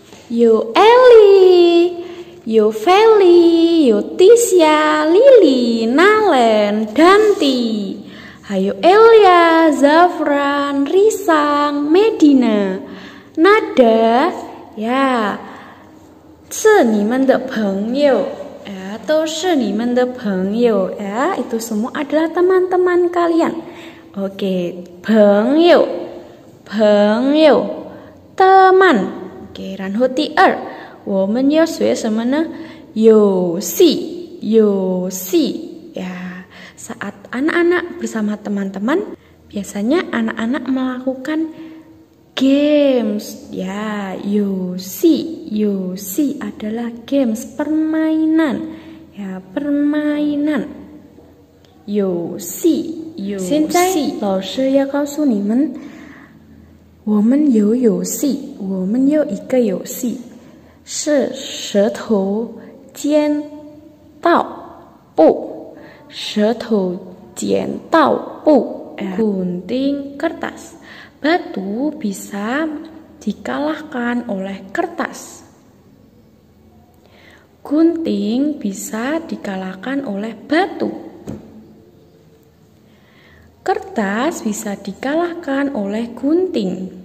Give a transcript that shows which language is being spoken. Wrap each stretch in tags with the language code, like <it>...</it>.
<zh>有 Ellie， 有 Feli， 有 Tisha， Lily， Nalen， Danti， 还有 Elia， Zafran， Risang， Medina， Nada， 呀，是你们的朋友，都是你们的朋友，</zh> <id>itu semua adalah teman-teman kalian。</id> <zh>OK， 朋友，朋友， teman。 Okay, 然后第二，我们要学什么呢？游戏，游戏呀。</zh> <id>Saat anak-anak bersama teman-teman, biasanya anak-anak melakukan games. Ya,</id> <zh>游戏，游戏</zh> <id>adalah games, permainan. Ya, permainan.</id> <zh>游戏，游戏。现在老师要告诉你们。我们有游戏，我们有一个游戏，是石头剪刀布，石头剪刀布</zh> <id>gunting kertas， batu bisa dikalahkan oleh kertas. Gunting bisa dikalahkan oleh batu. Kertas bisa dikalahkan oleh gunting.</id>